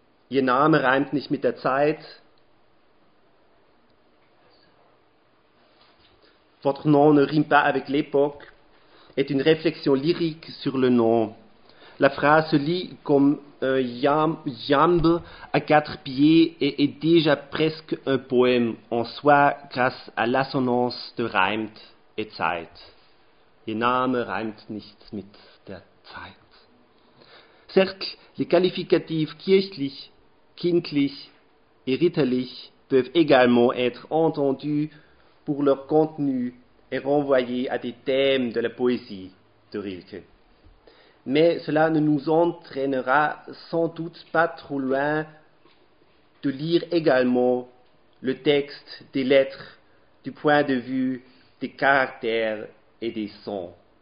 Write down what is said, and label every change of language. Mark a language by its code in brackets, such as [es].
[de] Ihr Name reimt nicht mit der Zeit. [fr] Votre nom ne rime pas avec l'époque. Est une réflexion lyrique sur le nom. La phrase se lit comme un iambe à quatre pieds et est déjà presque un poème en soi grâce à l'assonance de reimt et Zeit. [de] Ihr Name reimt nichts mit der Zeit. [fr] Certes, les qualificatifs kirchlich, kindlich et ritterlich peuvent également être entendus pour leur contenu et renvoyer à des thèmes de la poésie de Rilke. Mais cela ne nous entraînera sans doute pas trop loin de lire également le texte des lettres du point de vue des caractères et des sons.